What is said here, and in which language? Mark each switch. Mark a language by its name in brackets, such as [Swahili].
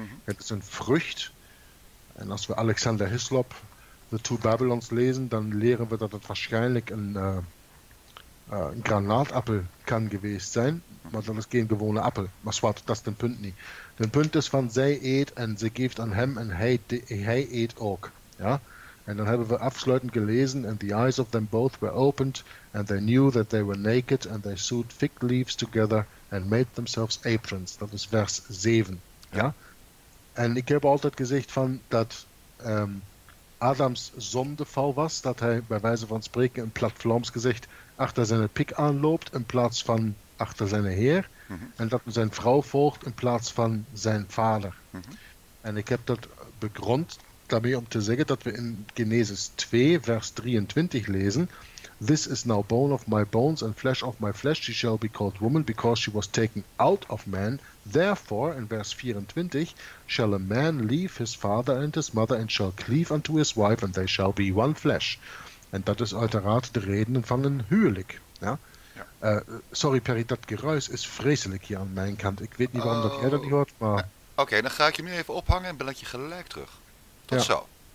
[Dutch] Het is een vrucht. En als we Alexander Hislop, The Two Babylons, lezen, dan leren we dat het waarschijnlijk een granaatappel kan geweest zijn. Maar dat is geen gewone appel. Maar zwart, dat is de punt niet. De punt is van zij eet en ze geeft aan hem en hij eet ook. Ja? En dan hebben we afsluitend gelezen, [English] and the eyes of them both were opened, and they knew that they were naked, and they sewed fig leaves together, and made themselves aprons. [Dutch] Dat is vers 7. Ja? En ik heb altijd gezegd van dat Adams zondeval was, dat hij bij wijze van spreken een platvloms gezicht achter zijn pik aanloopt, in plaats van achter zijn heer. Mm-hmm. En dat men zijn vrouw volgt in plaats van zijn vader. Mm-hmm. En ik heb dat begrond daarmee om te zeggen dat we in Genesis 2 vers 23 lezen. [English] This is now bone of my bones and flesh of my flesh. She shall be called woman because she was taken out of man. Therefore, in verse 24, shall a man leave his father and his mother and shall cleave unto his wife and they shall be one flesh. [Dutch] En dat is uiteraard de reden van een huwelijk. Ja? Ja. Sorry Perry, dat geruis is vreselijk hier aan mijn kant. Ik weet niet waarom dat jij dat niet hoort. Maar... Oké, dan ga ik je nu even ophangen en bel ik je gelijk terug. Tot zo.